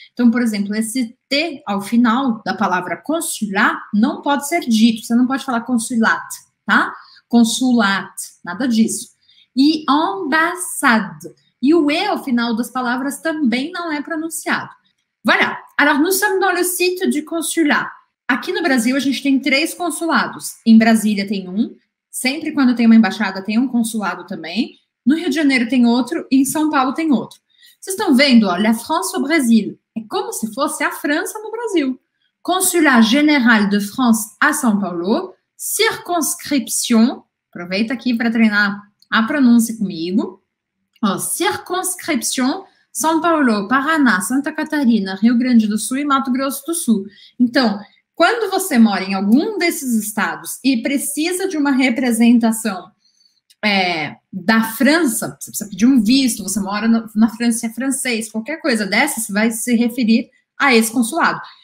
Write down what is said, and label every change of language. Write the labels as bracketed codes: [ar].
[pt] Então, por exemplo, esse T ao final da palavra consulat não pode ser dito. Você não pode falar consulat, tá? Consulat, nada disso. E ambassade. E o E ao final das palavras também não é pronunciado. [fr] Voilà. Alors, nous sommes dans le site du consulat. [pt] Aqui no Brasil, a gente tem três consulados. Em Brasília tem um. Sempre quando tem uma embaixada, tem um consulado também. No Rio de Janeiro tem outro. E em São Paulo tem outro. Vocês estão vendo, ó, [fr] la France au Brésil. [pt] É como se fosse a França no Brasil. [fr] Consulat général de France à São Paulo. Circonscription. [pt] Aproveita aqui para treinar a pronúncia comigo. Oh, circonscription, São Paulo, Paraná, Santa Catarina, Rio Grande do Sul e Mato Grosso do Sul. Então, quando você mora em algum desses estados e precisa de uma representação da França, você precisa pedir um visto, você mora na França, é francês, qualquer coisa dessas, você vai se referir a esse consulado.